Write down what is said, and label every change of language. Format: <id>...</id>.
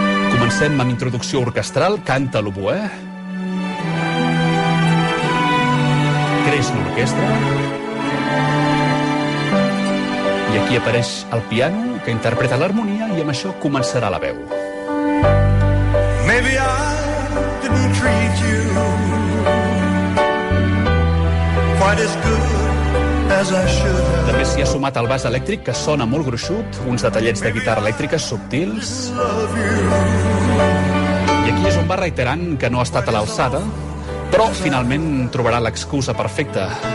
<ca>Comencem amb introducció orquestral, canta l'oboè. Creix l'orquestra. aquí apareix el piano que interpreta l'harmonia i amb això començarà la veu.</ca> <en>Maybe I didn't treat you quite as good.</en> <ca>També s'hi ha sumat el bas elèctric, que sona molt gruixut, uns detallets de guitarra elèctrica subtils. I aquí és on va reiterant que no ha estat a l'alçada, però finalment trobarà l'excusa perfecta.</ca>